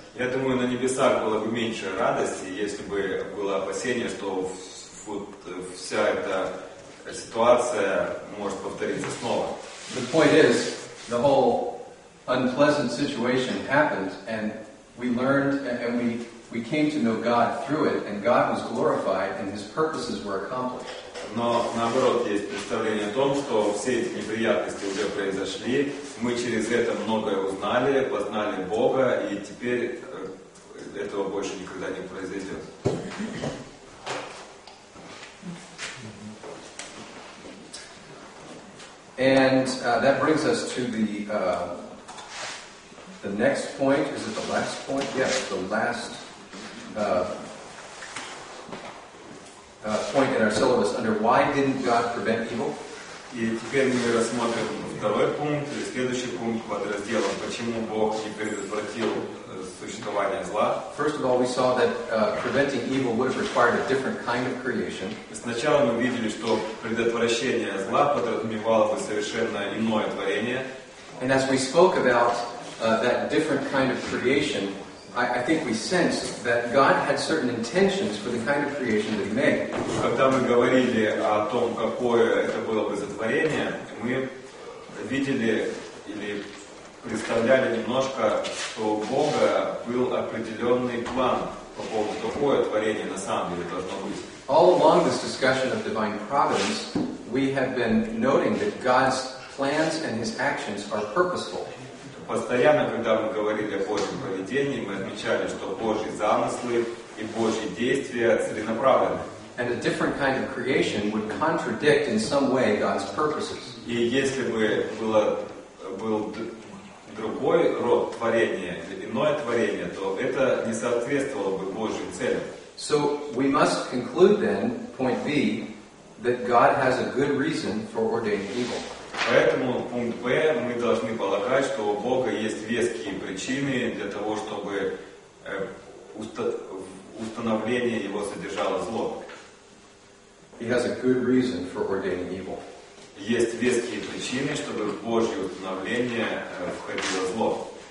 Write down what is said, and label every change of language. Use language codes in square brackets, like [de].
[ru] Я думаю, на небесах было бы меньше радости, если бы было опасение, что вся эта ситуация может повториться снова. [en] The point is, the whole unpleasant situation happened, and we learned, and we came to know God through it, and God was glorified, and His purposes were accomplished. [ru] Но наоборот, есть представление о том, что все эти неприятности уже произошли, мы через это многое узнали, познали Бога, и теперь этого больше никогда не произойдет. [en] And that brings us to the next point. Is it the last point? Yes, the last point in our syllabus under why didn't God prevent evil? [ru] И теперь мы рассмотрим второй пункт, или следующий пункт под разделом «Почему Бог не предотвратил существование зла?». [en] First of all, we saw that preventing evil would have required a different kind of creation. [ru] Сначала мы видели, что предотвращение зла подразумевало бы совершенно иное творение. [en] And as we spoke about that different kind of creation, I think we sensed that God had certain intentions for the kind of creation that He made. [ru] Когда мы говорили о том, какое это было бы сотворение, мы видели или представляли немножко, что у Бога был определенный план по поводу, какое творение на самом деле должно быть. [en] All along this discussion of divine providence, we have been noting that God's plans and His actions are purposeful. [ru] Постоянно, когда мы говорили о Божьем поведении, мы отмечали, что Божьи замыслы и Божьи действия целенаправлены. [en] And a different kind of creation would contradict in some way God's purposes. [ru] И если бы было, был другой род творения, иное творение, то это не соответствовало бы Божьим целям. [en] So we must conclude then, point B, that God has a good reason for ordaining evil. [ru] Поэтому пункт Б, мы должны полагать, что у Бога есть веские причины для того, чтобы установление его содержало зло. [en] He has a good reason for ordaining evil. [ru] Есть веские причины, чтобы в Божье установление входило зло.